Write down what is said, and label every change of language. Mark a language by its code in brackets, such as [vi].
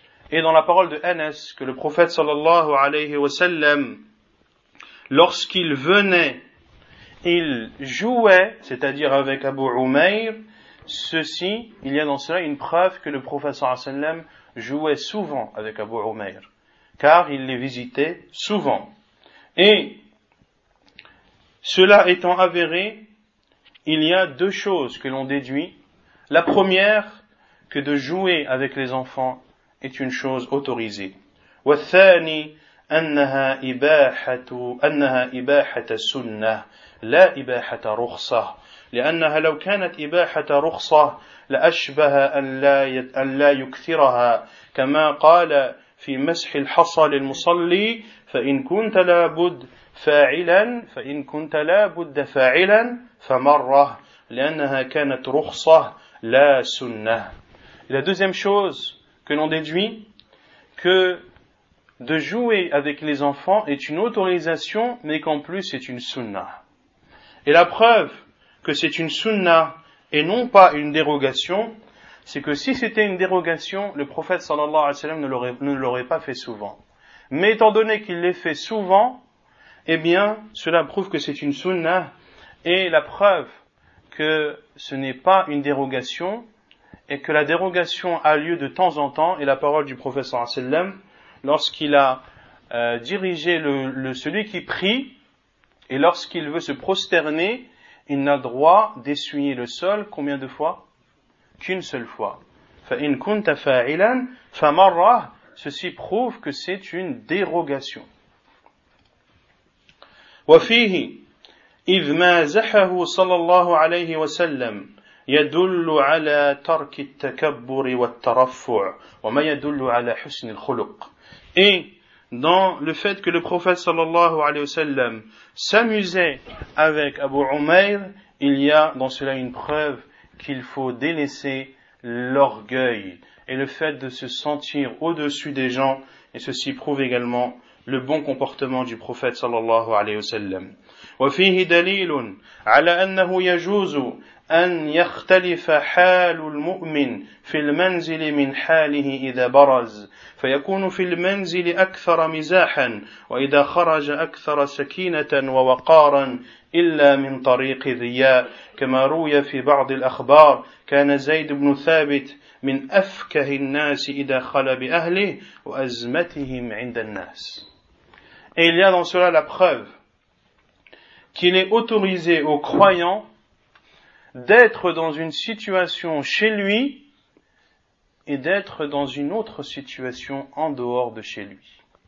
[fr] Et dans la parole de Anas, que le prophète sallallahu alayhi wa sallam, lorsqu'il venait, il jouait, c'est-à-dire avec Abu Umayr, ceci, il y a dans cela une preuve que le prophète sallallahu alayhi wa sallam jouait souvent avec Abu Umayr, car il les visitait souvent. Et cela étant avéré, il y a deux choses que l'on déduit. La première, que de jouer avec les enfants est une chose autorisée. [ar] والثاني أنها إباحة أنها إباحة سنة لا إباحة رخصة لأنها لو كانت إباحة رخصة لأشبه أن لا يكثرها كما قال في مسح الحصى للمصلي فإن كنت لابد فاعلا فإن كنت لابد فاعلا فمرة لأنها كانت رخصة لا سنة. [fr] La deuxième chose que l'on déduit, que de jouer avec les enfants est une autorisation, mais qu'en plus c'est une sunna. Et la preuve que c'est une sunna et non pas une dérogation, c'est que si c'était une dérogation, le prophète sallallahu alayhi wa sallam ne l'aurait pas fait souvent. Mais étant donné qu'il l'ait fait souvent, eh bien, cela prouve que c'est une sunna. Et la preuve que ce n'est pas une dérogation, et que la dérogation a lieu de temps en temps, et la parole du prophète sallallahu alayhi wa sallam, lorsqu'il a dirigé celui qui prie, et lorsqu'il veut se prosterner, il n'a droit d'essuyer le sol, combien de fois? Qu'une seule fois. [ar] فَإِنْ كُنْتَ فَاعِلًا فَمَرَّهُ. [fr] Ceci prouve que c'est une dérogation. [ar] وَفِيهِ إِذْ مَا زَحَهُ صَلَى اللَّهُ عَلَيْهِ وَسَلَّمْ يدل على ترك التكبر والترفع وما يدل على حسن الخلق. [fr] Et dans le fait que le prophète sallallahu alayhi wa sallam s'amusait avec Abu Umayr, il y a dans cela une preuve qu'il faut délaisser l'orgueil et le fait de se sentir au-dessus des gens, et ceci prouve également le bon comportement du prophète sallallahu alayhi wa sallam. [ar] وفيه دليل على أنه يجوز أن يختلف حال المؤمن في المنزل من حاله إذا برز فيكون في المنزل أكثر مزاحا وإذا خرج أكثر سكينة ووقارا إلا من طريق الرياء كما روي في بعض الأخبار كان زيد بن ثابت من أفكه الناس إذا خلى بأهله وأزمتهم عند الناس. إلى [fr] dans cela la preuve qu'il est autorisé aux croyants d'être dans une situation chez lui et d'être dans une autre situation en dehors de chez lui.